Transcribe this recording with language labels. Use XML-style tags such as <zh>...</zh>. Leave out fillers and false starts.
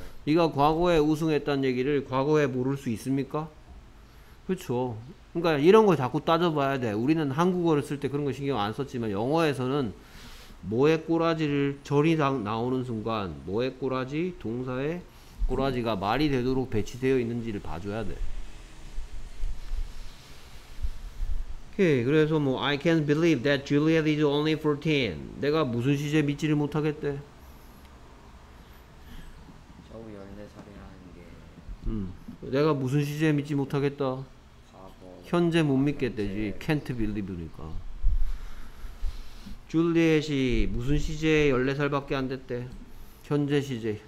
<ko>네가 과거에 우승했다는 얘기를 과거에 모를 수 있습니까? 그렇죠. 그러니까 이런 걸 자꾸 따져봐야 돼. 우리는 한국어를 쓸 때 그런 거 신경 안 썼지만 영어에서는 뭐의 꼬라지를 절이 나오는 순간 뭐의 꼬라지, 동사의 꼬라지가 말이 되도록 배치되어 있는지를 봐줘야 돼. 그래서 뭐</ko> <en>I can't believe that Juliet is only 14.</en> <ko>내가 무슨 시제 믿지를 못하겠대. 저우 14살이라는 게 내가 무슨 시제 믿지 못하겠다. 현재 못 믿겠대지.</ko> <en>Can't believe</en> <ko>니까. 줄리엣이 무슨 시제에 14살밖에 안 됐대. 현재 시제.</ko>